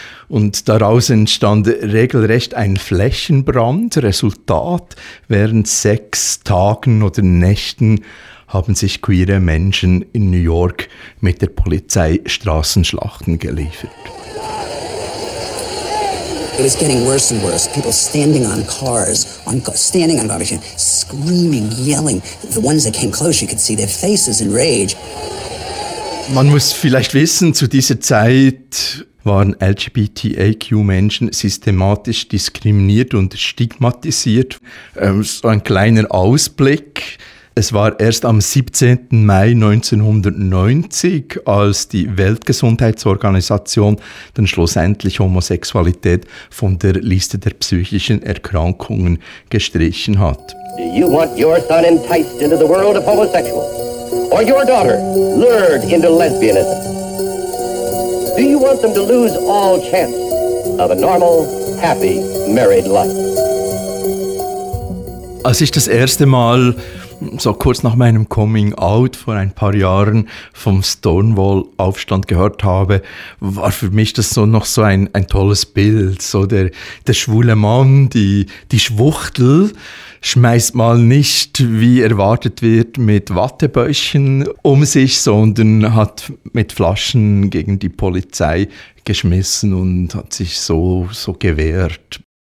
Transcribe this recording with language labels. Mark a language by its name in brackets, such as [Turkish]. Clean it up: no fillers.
[German] Und daraus entstand regelrecht ein Flächenbrand. Resultat, während 6 Tagen oder Nächten haben sich queere Menschen in New York mit der Polizei Straßenschlachten geliefert. [English] It is getting worse and worse. People standing on cars, standing on garbage, screaming, yelling. The ones that came close, you could see their faces in rage. [German] Man muss vielleicht wissen, zu dieser Zeit waren LGBTIQ-Menschen systematisch diskriminiert und stigmatisiert. So ein kleiner Ausblick. Es war erst am 17. Mai 1990, als die Weltgesundheitsorganisation dann schlussendlich Homosexualität von der Liste der psychischen Erkrankungen gestrichen hat. [English] Do you want your son enticed into the world of homosexuals? Or your daughter lured into lesbianism? Do you want them to lose all chance of a normal, happy, married life? [German] Als ich das erste Mal, so kurz nach meinem Coming Out vor ein paar Jahren, vom Stonewall-Aufstand gehört habe, war für mich das so noch so ein tolles Bild. So der schwule Mann, die Schwuchtel, schmeißt mal nicht, wie erwartet wird, mit Wattebäuschen um sich, sondern hat mit Flaschen gegen die Polizei geschmissen und hat sich so gewehrt.